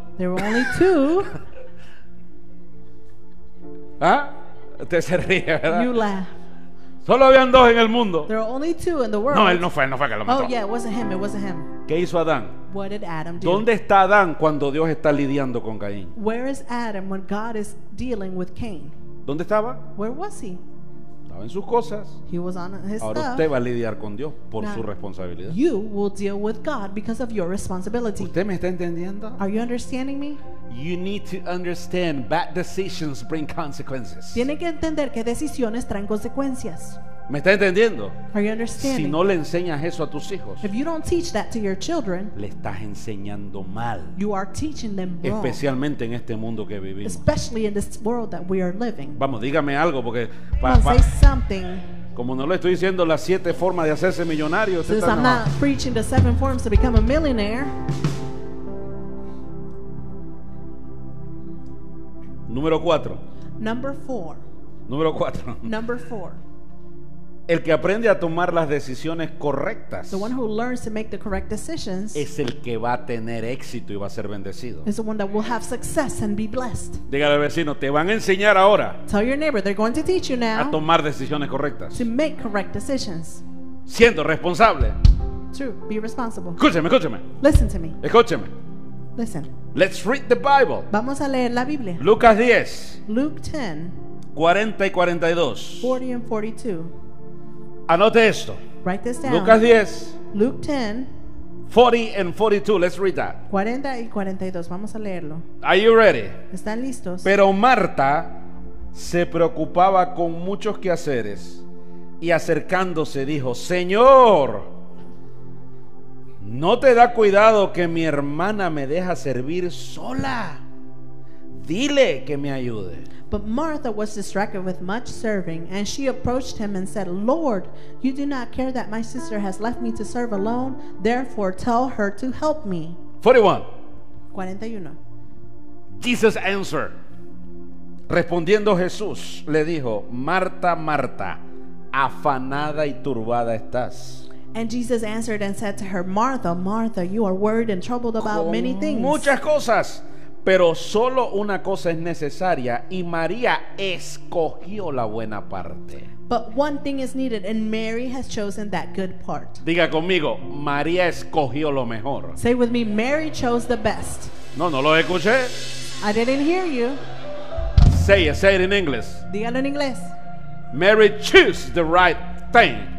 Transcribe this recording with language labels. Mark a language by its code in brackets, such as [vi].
[en] There were only two. [es] ¿Ah? Usted se ríe, ¿verdad? [en] You laugh. [es] Solo habían dos en el mundo. [en] There are only two in the world. [es] No, él no fue que lo mató. [en] Oh yeah, it wasn't him, it wasn't him. [es] ¿Qué hizo Adán? [en] What did Adam do? [es] ¿Dónde está Adán cuando Dios está lidiando con Caín? [en] Where is Adam when God is dealing with Cain? [es] ¿Dónde estaba? [en] Where was he? [es] Estaba en sus cosas. [en] He was on his [es] Ahora [en] stuff. [es] Usted va a lidiar con Dios por [en] Now, [es] su responsabilidad. [en] You will deal with God because of your responsibility. [es] ¿Usted me está entendiendo? [en] Are you understanding me? You need to understand bad decisions bring consequences. [es] Tiene que entender que decisiones traen consecuencias. ¿Me está entendiendo? [en] Are you understanding? [es] Si no le enseñas eso a tus hijos, [en] if you don't teach that to your children, [es] le estás enseñando mal. [en] You are teaching them wrong. [es] Especialmente en este mundo que vivimos. [en] Especially in this world that we are living. [es] Vamos, dígame algo porque [en] say something. [es] Como no le estoy diciendo las siete formas de hacerse millonario, [en] since I'm not preaching the seven forms to become a millionaire. [es] Número 4. [en] Number 4. [es] Número 4. [en] Number 4. [es] El que aprende a tomar las decisiones correctas, [en] the one who learns to make the correct decisions, [es] es el que va a tener éxito y va a ser bendecido. [en] Is the one that will have success and be blessed. [es] Dígale al vecino, te van a enseñar ahora. [en] Tell your neighbor, they're going to teach you now. [es] A tomar decisiones correctas. [en] To make correct decisions. [es] Siendo responsable. [en] True, be responsible. [es] Escúcheme, escúcheme. [en] Listen to me. [es] Escúcheme. [en] Listen. Let's read the Bible. [es] Vamos a leer la Biblia. Lucas 10. [en] Luke 10. [es] 40 y 42. [en] 40 and 42. [es] Anote esto. [en] Write this down. [es] Lucas 10. [en] Luke 10. 40 and 42. Let's read that. [es] 40 y 42. Vamos a leerlo. [en] Are you ready? [es] ¿Están listos? Pero Marta se preocupaba con muchos quehaceres y acercándose dijo, Señor, ¿no te da cuidado que mi hermana me deja servir sola? Dile que me ayude. [en] But Martha was distracted with much serving, and she approached him and said, Lord, you do not care that my sister has left me to serve alone, therefore tell her to help me. 41. 41. Jesus answered. [es] Respondiendo Jesús, le dijo, Marta, Marta, afanada y turbada estás. [en] And Jesus answered and said to her, Martha, Martha, you are worried and troubled about [es] con [en] many things. [es] Muchas cosas. Pero solo una cosa es necesaria y María escogió la buena parte. [en] But one thing is needed and Mary has chosen that good part. [es] Diga conmigo, María escogió lo mejor. [en] Say with me, Mary chose the best. [es] No, no lo escuché. [en] I didn't hear you. Say it in English. [es] Dígalo en inglés. [en] Mary chose the right thing.